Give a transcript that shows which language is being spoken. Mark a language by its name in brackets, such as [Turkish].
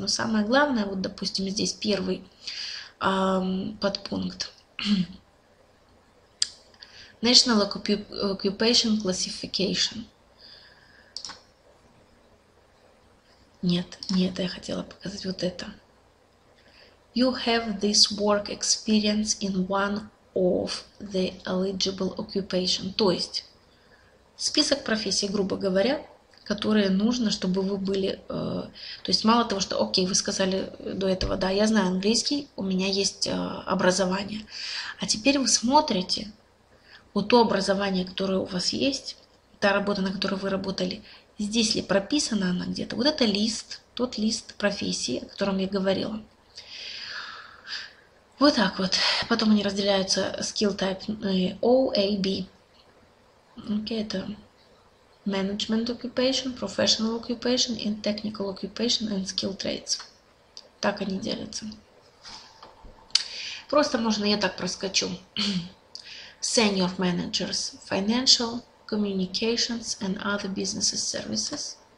[Russian] Но самое главное, вот, допустим, здесь первый подпункт. [English] National Occupation Classification. [Russian] Нет, не это я хотела показать, вот это. [English] You have this work experience in one of the eligible occupation. [Russian] То есть, список профессий, грубо говоря, которые нужно, чтобы вы были... то есть, мало того, что, окей, вы сказали до этого, да, я знаю английский, у меня есть образование. А теперь вы смотрите, вот то образование, которое у вас есть, та работа, на которой вы работали, здесь ли прописана она где-то. Вот это лист, тот лист профессии, о котором я говорила. Вот так вот. Потом они разделяются [English] skill type O, A, B. Okay, это management occupation, professional occupation, and technical occupation and skill trades. [Russian] Так они делятся. Просто можно я так проскочу. [English] Senior managers, financial, communications and other businesses services.